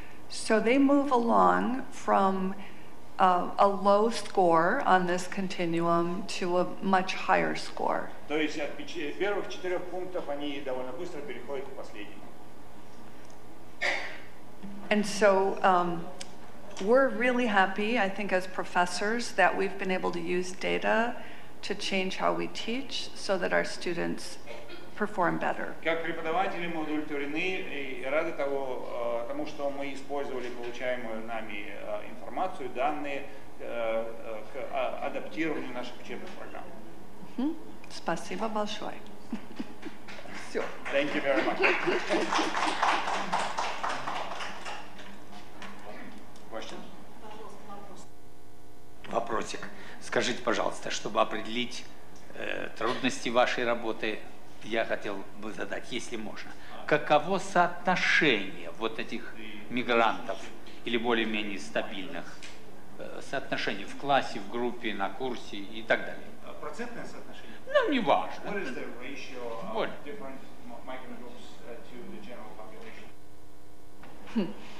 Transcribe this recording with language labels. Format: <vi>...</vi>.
<en>So they move along from a low score on this continuum to a much higher score.</en> <ru>То есть от первых четырех пунктов они довольно быстро переходят к последнему.</ru> <en>And so we're really happy, I think, as professors, that we've been able to use data to change how we teach so that our students perform better.</en> <ru>Как преподаватели мы удовлетворены и рады того, тому, что мы использовали получаемую нами информацию, данные к адаптированию наших учебных программ. Спасибо большое. Все.</ru> <en>Thank you very much. Question?</en> <ru>Вопросик. Скажите, пожалуйста, чтобы определить трудности вашей работы, я хотел бы задать, если можно, каково соотношение вот этих мигрантов или более-менее стабильных, соотношение в классе, в группе, на курсе и так далее? Процентное соотношение? Ну, не важно.</ru> <en>What is the ratio of different migrant groups to the general population?</en>